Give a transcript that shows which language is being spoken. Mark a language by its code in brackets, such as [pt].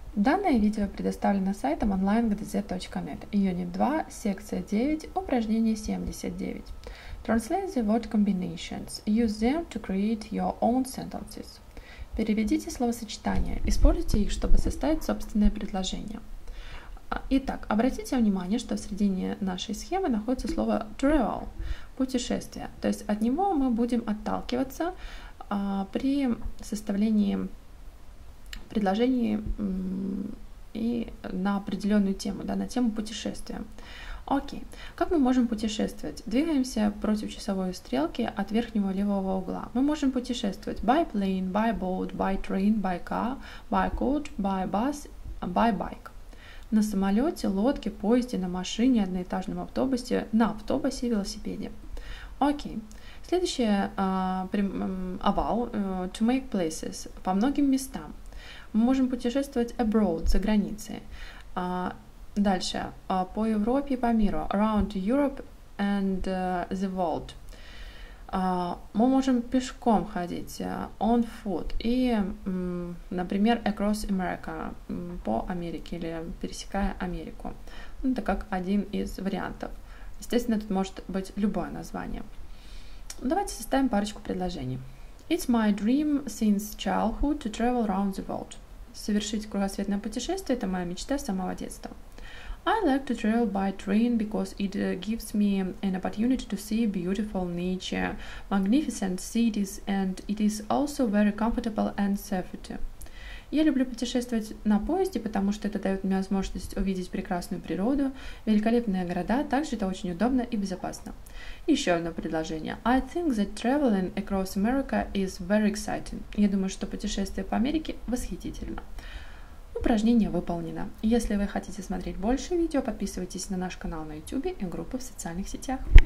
[ru] Данное видео предоставлено сайтом onlinegdz.net, Unit 2, секция 9, упражнение 79. [en] Translate the word combinations. Use them to create your own sentences. [ru] Переведите словосочетания. Используйте их, чтобы составить собственное предложение. Итак, обратите внимание, что в середине нашей схемы находится слово travel, путешествие. То есть от него мы будем отталкиваться при составлении предложений и на определенную тему, да, на тему путешествия. Окей. Как мы можем путешествовать? Двигаемся против часовой стрелки от верхнего левого угла. Мы можем путешествовать [en] by plane, by boat, by train, by car, by coach, by bus, by bike. [ru] На самолете, лодке, поезде, на машине, одноэтажном автобусе, на автобусе и велосипеде. Окей. Следующее [en] about to make places [ru] по многим местам. Мы можем путешествовать abroad, за границей. Дальше. По Европе и по миру. [en] Around Europe and the world. [ru] Мы можем пешком ходить. [en] On foot. [ru] И, например, [en] across America. [ru] По Америке или пересекая Америку. Это как один из вариантов. Естественно, тут может быть любое название. Давайте составим парочку предложений. [en] It's my dream since childhood to travel around the world. [ru] Совершить кругосветное путешествие – это моя мечта с самого детства. [en] I like to travel by train because it gives me an opportunity to see beautiful nature, magnificent cities, and it is also very comfortable and safe too. [ru] Я люблю путешествовать на поезде, потому что это дает мне возможность увидеть прекрасную природу, великолепные города, также это очень удобно и безопасно. Еще одно предложение. [en] I think that traveling across America is very exciting. [ru] Я думаю, что путешествие по Америке восхитительно. Упражнение выполнено. Если вы хотите смотреть больше видео, подписывайтесь на наш канал на YouTube и группы в социальных сетях.